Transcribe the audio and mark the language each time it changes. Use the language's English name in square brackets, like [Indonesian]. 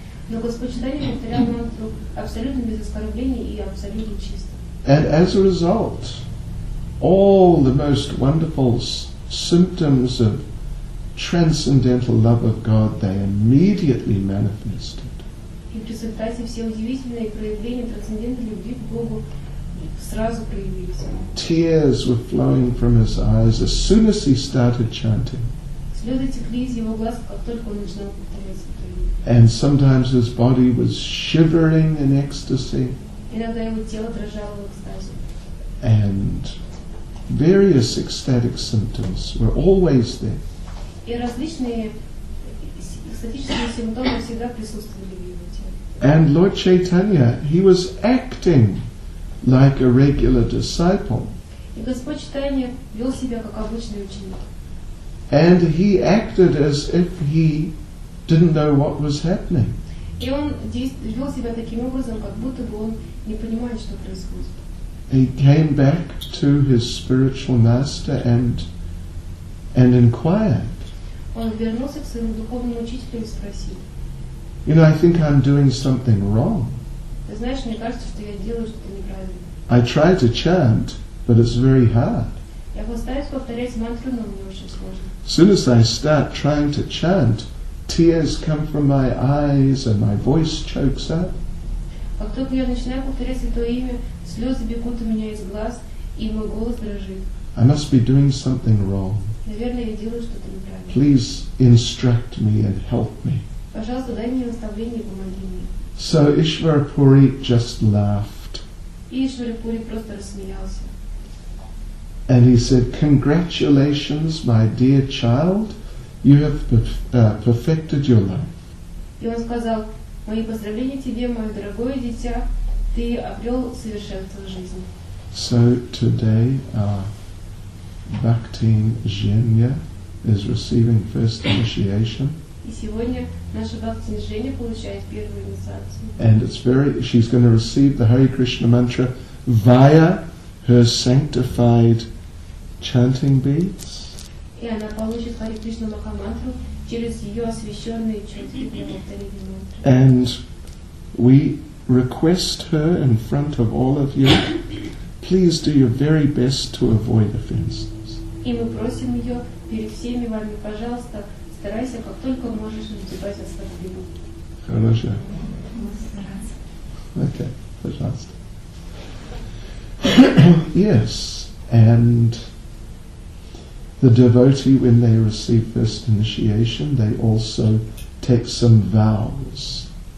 [English] And as a result, all the most wonderful symptoms of transcendental love of God, they immediately manifested. [Russian] И в результате все удивительные проявления трансцендентной любви к Богу сразу проявились. [English] Tears were flowing from his eyes as soon as he started chanting. [Russian] Слезы текли из его глаз, как только он начинал повторять. [English] And sometimes his body was shivering in ecstasy. [Russian] Иногда его тело дрожало в экстазе. [English] And various ecstatic symptoms were always there. [Russian] И различные экстатические симптомы всегда присутствовали в его теле. [English] And Lord Chaitanya, he was acting like a regular disciple. [Russian] И Господь Чайтанья вел себя как обычный ученик. [English] And he acted as if he didn't know what was happening. [Russian] И он вел себя таким образом, как будто бы он не понимает, что происходит. [English] He came back to his spiritual master and inquired. [Russian] Он вернулся к своему духовному учителю и спросил. [English] You know, I think I'm doing something wrong. [Russian] Ты знаешь, мне кажется, что я делаю что-то неправильно. [English] I try to chant, but it's very hard. [Russian] Я постараюсь повторять мантру, но мне очень сложно. [English] As soon as I start trying to chant, tears come from my eyes and my voice chokes up. [Russian] Как только я начинаю повторять Святое Имя, слезы бегут у меня из глаз, и мой голос дрожит. [English] I must be doing something wrong. [Russian] Наверное, я делаю что-то неправильно. [English] Please instruct me and help me. [Russian] Пожалуйста, дай мне наставление и помоги мне. [English] So Ishvara Puri just laughed. [Russian] Ишвара Пури просто рассмеялся. [English] And he said, "Congratulations, my dear child. You have perfected your life." [Russian] И он сказал: "Мои поздравления тебе, мое дорогое дитя, ты обрел совершенство в жизни." [English] So today our Bhakti Zhenya is receiving first initiation. [Russian] И сегодня наша Бхакти Зхенья получает первую инициацию. [English] And it's very, she's going to receive the Hare Krishna mantra via her sanctified chanting beads. [Russian] И она получит Хари Кришна Махамантру через ее освященные чанты. [English] And we request her in front of all of you, please do your very best to avoid offenses. [Russian] И мы просим ее перед всеми вами, пожалуйста, старайся, как только можешь, избегать оскорблений. Хорошо. Мы стараемся. Okay, пожалуйста. [English] Yes, and the devotee, when they receive first initiation, they also take some vows.